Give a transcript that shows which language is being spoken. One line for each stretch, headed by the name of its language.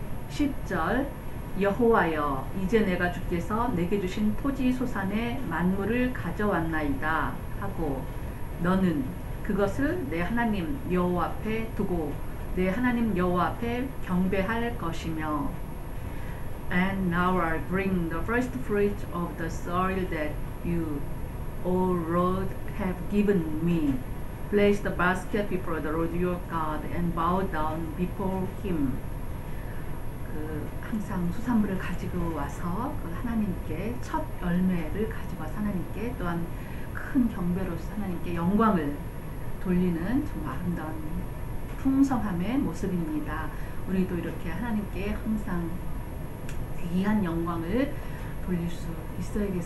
Korean: 10절 여호와여 이제 내가 주께서 내게 주신 토지 소산의 만물을 가져왔나이다 하고 너는 그것을 내 하나님 여호와 앞에 두고 내 하나님 여호와 앞에 경배할 것이며
English: And now I bring the first fruit of the soil that you, O Lord, have given me. Place the basket before the Lord your God and bow down before him.
Korean: 항상 수산물을 가지고 와서 하나님께 첫 열매를 가지고 와서 하나님께 또한 큰 경배로서 하나님께 영광을 돌리는 정말 아름다운 풍성함의 모습입니다. 우리도 이렇게 하나님께 항상 귀한 영광을 돌릴 수 있어야겠습니다. 오늘 하루도 귀한 하나님의 말씀으로